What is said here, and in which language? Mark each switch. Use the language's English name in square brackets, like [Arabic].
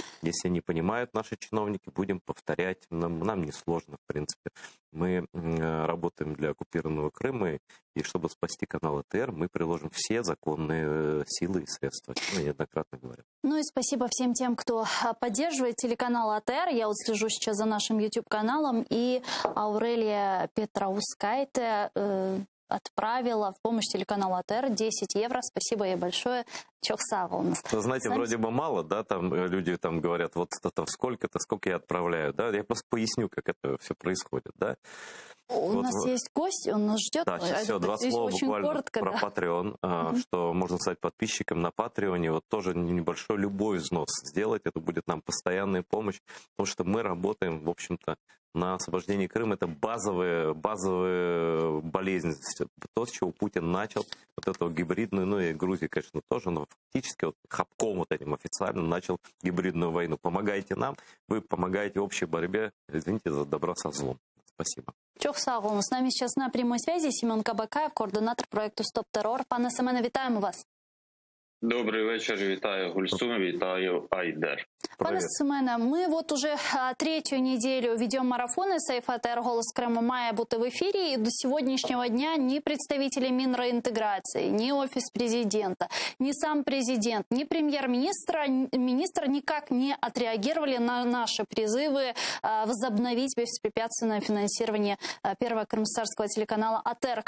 [Russian] Если не понимают наши чиновники, будем повторять. Нам несложно, в принципе. Мы работаем для оккупированного Крыма, и чтобы спасти канал АТР, мы приложим все законные силы и средства. О чем я неоднократно говорю. Ну и спасибо всем тем, кто поддерживает телеканал АТР. Я вот слежу сейчас за нашим YouTube-каналом. И Аурелия Петраускайте отправила в помощь телеканалу АТР 10 евро. Спасибо ей большое. Чоксава у нас. Вы знаете, сами вроде бы мало, да, там люди там говорят, вот это сколько-то, сколько я отправляю, да. Я просто поясню, как это все происходит, да. У нас есть гость, он нас ждет. Да, сейчас все, два слова буквально коротко, про Patreon, да. Что можно стать подписчиком на Патреоне, вот тоже небольшой любой взнос сделать, это будет нам постоянная помощь, потому что мы работаем, в общем-то, на освобождение Крыма. Это базовая болезнь, то, с чего Путин начал, вот эту гибридную, ну и Грузия, конечно, тоже, но фактически вот хапком вот этим официально начал гибридную войну. Помогайте нам, вы помогаете общей борьбе, извините за добро со злом. Спасибо. Чохсалом. С нами сейчас на прямой связи Семен Кабакаев, координатор проекту «Стоп террор». [Ukrainian] Пане Семене, вітаємо вас. Добрий вечір, вітаю Гульсум, вітаю Айдер. Пане Семене, ми от уже третю неділю ведемо марафони «Сейф АТР. Голос Криму» має бути в ефірі, і до сьогоднішнього дня ні представителі Мінреінтеграції, ні Офіс Президента, ні сам президент, ні прем'єр-міністр ніяк не відреагували на наші призиви возобновити безпрепятственне фінансування першого кримськотатарського телеканалу АТР.